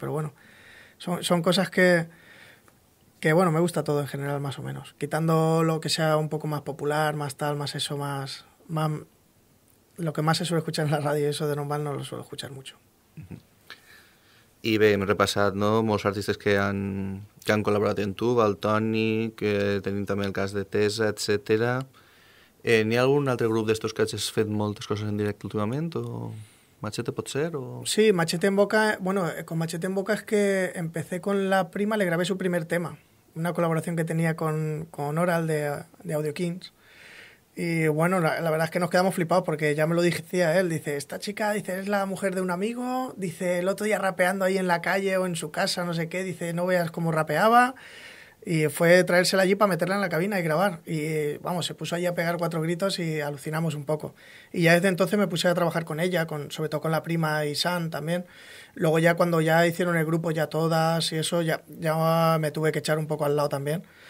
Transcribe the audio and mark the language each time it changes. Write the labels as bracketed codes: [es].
[es] Pero bueno, son cosas que bueno, me gusta todo en general, más o menos, quitando lo que sea un poco más popular, más tal, más eso, más lo que más se suele escuchar en la radio, eso de normal no lo suelo escuchar mucho. [ca] I bé, hem repassat, no?, molts artistes que han col·laborat amb tu, el Toni, que tenim també el cas de Tesa, etc. N'hi ha algun altre grup d'estos que has fet moltes coses en directe últimament? O Machete, pot ser? O... [es] Sí, Machete en Boca... Bueno, con Machete en Boca es que empecé con la prima, le grabé su primer tema, una colaboración que tenía con Oral de Audio Kings. Y bueno, la verdad es que nos quedamos flipados porque ya me lo decía él, dice, esta chica, dice, es la mujer de un amigo, dice, el otro día rapeando ahí en la calle o en su casa, no sé qué, dice, no veas cómo rapeaba, y fue traérsela allí para meterla en la cabina y grabar, y vamos, se puso allí a pegar cuatro gritos y alucinamos un poco, y ya desde entonces me puse a trabajar con ella, sobre todo con la prima y San también, luego ya cuando ya hicieron el grupo ya todas y eso, ya me tuve que echar un poco al lado también.